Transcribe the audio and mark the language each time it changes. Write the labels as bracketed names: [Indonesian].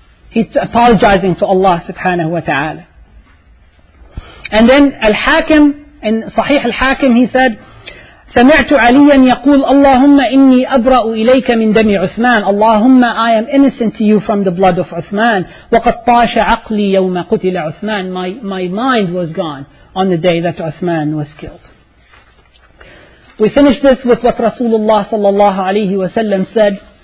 [English] He's apologizing to Allah subhanahu wa ta'ala. And then Al-Hakim, in Sahih Al-Hakim, he said, [Arabic] سَمِعْتُ عَلِيًّا يَقُولُ اللَّهُمَّ إِنِّي أَبْرَأُ إِلَيْكَ مِنْ دَمِ عُثْمَانِ. [English] Allahumma, I am innocent to you from the blood of Uthman. [Arabic] وَقَدْ طَاشَ عَقْلِي يَوْمَ قُتِلَ عُثْمَانِ. [English] My mind was gone on the day that Uthman was killed. We finish this with what Rasulullah sallallahu alayhi wa sallam said.